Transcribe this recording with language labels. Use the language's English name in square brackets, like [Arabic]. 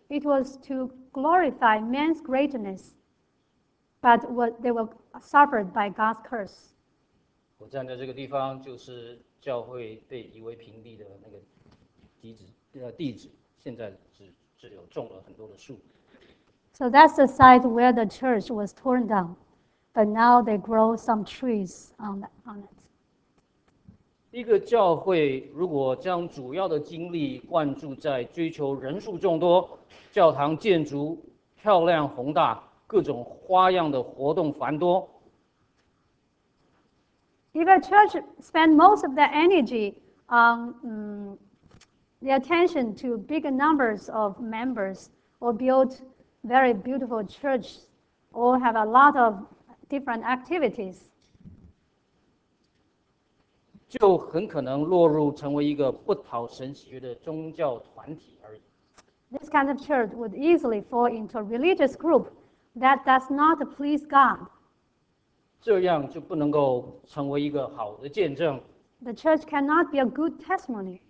[English] It was to glorify man's greatness, but they were suffered by God's curse. [Chinese] 我站在这个地方，就是教会被夷为平地的那个地址，现在只有种了很多的树。 [English] So that's the site where the church was torn down, but now they grow some trees on it. [Chinese] 一个教会如果将主要的精力灌注在追求人数众多、教堂建筑漂亮宏大、各种花样的活动繁多。 [English] If a church spend most of their energy on the attention to big numbers of members or build very beautiful church or have a lot of different activities, [Chinese] 就很可能落入成为一个不讨神喜悦的宗教团体而已。 [English] This kind of church would easily fall into a religious group that does not please God. [Chinese] 这样就不能够成为一个好的见证。 [English] The church cannot be a good testimony.